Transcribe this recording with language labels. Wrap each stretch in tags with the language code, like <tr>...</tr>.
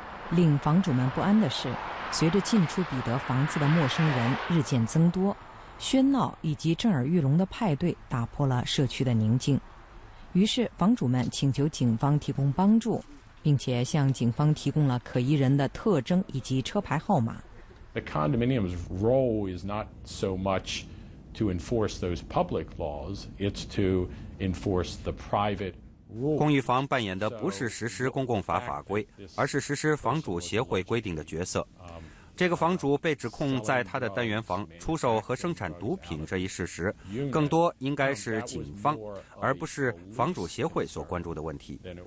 <zh>令房主们不安的是，随着进出彼得房子的陌生人日渐增多，喧闹以及震耳欲聋的派对打破了社区的宁静。于是房主们请求警方提供帮助，并且向警方提供了可疑人的特征以及车牌号码。</zh> <en>The condominium's role is not so much to enforce those public laws, it's to enforce the private。</en> <zh>公寓房扮演的不是实施公共法法规，而是实施房主协会规定的角色。这个房主被指控在他的单元房出售和生产毒品这一事实，更多应该是警方而不是房主协会所关注的问题。</zh>